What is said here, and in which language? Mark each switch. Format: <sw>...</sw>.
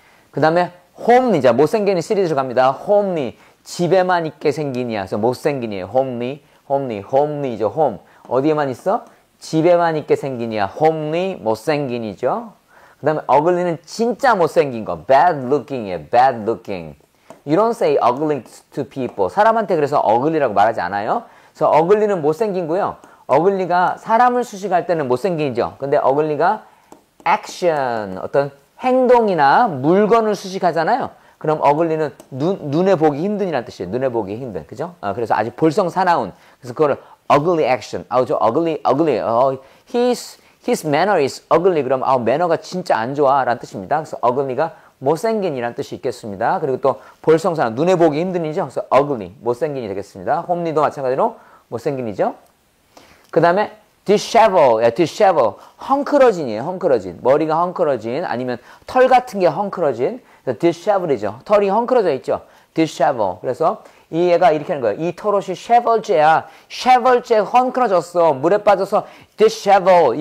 <ko>그 다음에 홈리자 못생기니 시리즈로 갑니다. 홈리 집에만 있게 생기니야. 그래서 못생기니 홈리 홈리 홈리죠. 홈 어디에만 있어? 집에만 있게 생기니야. 홈리 못생기니죠. 그 다음에 어글리는 진짜 못생긴 거 bad looking이에요.</ko> <en>bad looking. You don't say ugly to people.</en> <ko>사람한테 그래서 어글리라고 말하지 않아요. 그래서 어글리는 못생긴고요. 어글리가 사람을 수식할 때는 못생기죠. 근데 어글리가 action 어떤 행동이나 물건을 수식하잖아요. 그럼 어글리는 눈에 보기 힘든이란 뜻이에요. 눈에 보기 힘든. 그죠? 그래서 아직 볼성 사나운. 그래서 그걸 ugly action.</ko> <en>저 ugly, ugly. His manner is ugly.</en> <ko>그럼 매너가 진짜 안 좋아. 라는 뜻입니다. 그래서 ugly가 못생긴이란 뜻이 있겠습니다. 그리고 또 볼성 사나운. 눈에 보기 힘든이죠? 그래서 ugly. 못생긴이 되겠습니다. 홈리도 마찬가지로 못생긴이죠?</ko> <en>그 다음에 dishevel, yeah, dishevel.</en> <ko>헝클어진이에요, 헝클어진. 머리가 헝클어진, 아니면 털 같은 게 헝클어진. dishevel이죠. 털이 헝클어져 있죠. dishevel. 그래서 이 얘가 이렇게 하는 거예요. 이 털옷이 쉐벌째야. 쉐벌째 헝클어졌어. 물에 빠져서 dishevel.</ko>